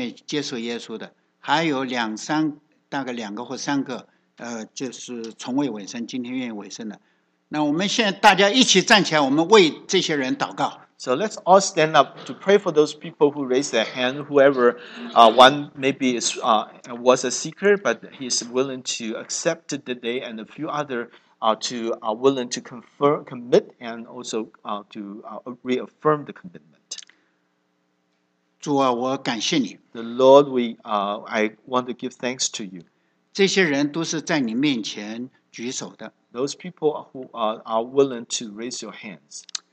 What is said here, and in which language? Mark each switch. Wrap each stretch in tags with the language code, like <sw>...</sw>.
<zh>好，我们有很多弟兄姐妹重新委身，有一个没有信主，今天愿意接受耶稣的，还有两三。大概两个或三个，就是从未委身，今天愿意委身的。那我们现在大家一起站起来，我们为这些人祷告。</zh> <en>So let's all stand up to pray for those people who raised their hand. Whoever, one maybe is was a seeker, but he is willing to accept today, and a few other willing to confirm, commit, and also reaffirm the commitment.</en> <zh>主啊，我感谢你。</zh> <en>The Lord, I want to give thanks to you.</en> <zh>这些人都是在你面前举手的。</zh> <en>Those people who are willing to raise your hands.</en>